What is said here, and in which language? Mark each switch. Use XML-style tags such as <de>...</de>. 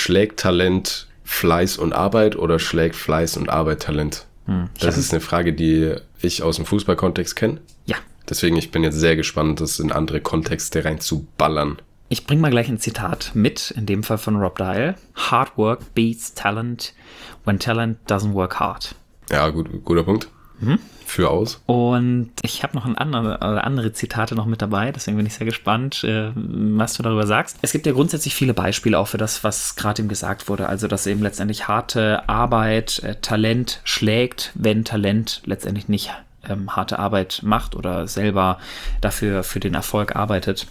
<de>Schlägt Talent Fleiß und Arbeit oder schlägt Fleiß und Arbeit Talent? Ich Das habe ist eine Frage, die ich aus dem Fußballkontext kenne. Deswegen, ich bin jetzt sehr gespannt, das in andere Kontexte reinzuballern. Ich bringe mal gleich ein Zitat mit, in dem Fall von Rob Dial.</de> <en>Hard work beats talent when talent doesn't work hard.</en> <de>Ja, gut, guter Punkt. Für aus. Und ich habe noch andere Zitate noch mit dabei, deswegen bin ich sehr gespannt, was du darüber sagst. Es gibt ja grundsätzlich viele Beispiele auch für das, was gerade eben gesagt wurde. Also, dass eben letztendlich harte Arbeit Talent schlägt, wenn Talent letztendlich nicht harte Arbeit macht oder selber dafür für den Erfolg arbeitet.</de>